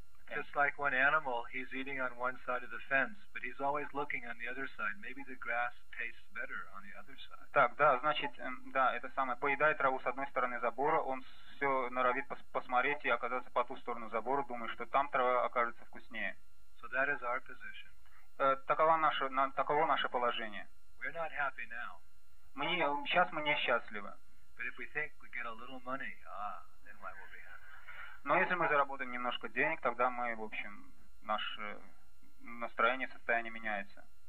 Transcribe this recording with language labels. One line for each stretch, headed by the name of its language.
English: Just like one animal, he's eating on one side of the fence, but he's always looking on the other side. Maybe the grass tastes better on the other side.
Russian: Так, да, значит, да, это самое. Поедает траву с одной стороны забора, он все норовит посмотреть и оказаться по ту сторону забора, думает, что там трава окажется вкуснее.
English: So that is our position.
Russian: Таково наше положение.
English: We're not happy now.
Russian: Сейчас мы не счастливы.
English: But if we think we get a little money, then why will we?
Russian: Но если мы заработаем немножко денег, тогда мы, в общем, наше настроение, состояние меняется.